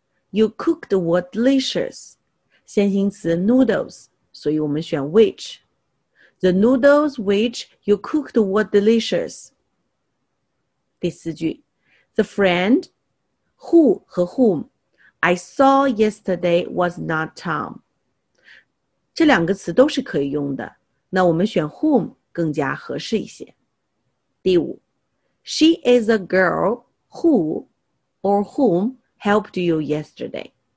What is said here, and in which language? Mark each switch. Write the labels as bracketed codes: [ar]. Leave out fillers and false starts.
[en] You cooked were delicious. [zh] 先行词 [en] noodles, [zh] 所以我们选 [en] which. The noodles which you cooked were delicious. [zh] 第四句， [en] The friend, who 和 whom, I saw yesterday was not Tom. [zh] 这两个词都是可以用的，那我们选 whom 更加合适一些。第五， [en] She is a girl who or whom helped you yesterday.